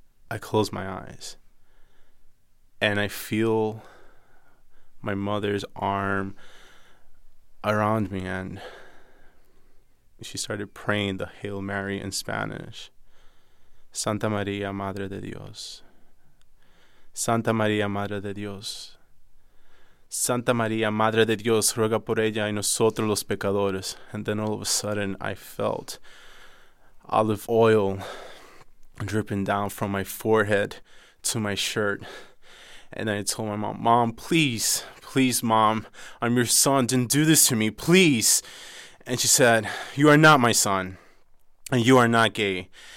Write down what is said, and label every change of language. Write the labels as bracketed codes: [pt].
[en] I closed my eyes. And I feel my mother's arm around me, and she started praying the Hail Mary in Spanish. [es] Santa María, Madre de Dios. Santa María, Madre de Dios. Santa María, Madre de Dios, ruega por ella y nosotros los pecadores. [en] And then all of a sudden, I felt olive oil dripping down from my forehead to my shirt. And then I told my mom, "Mom, please, please, Mom, I'm your son. Don't do this to me, please." And she said, "You are not my son, and you are not gay.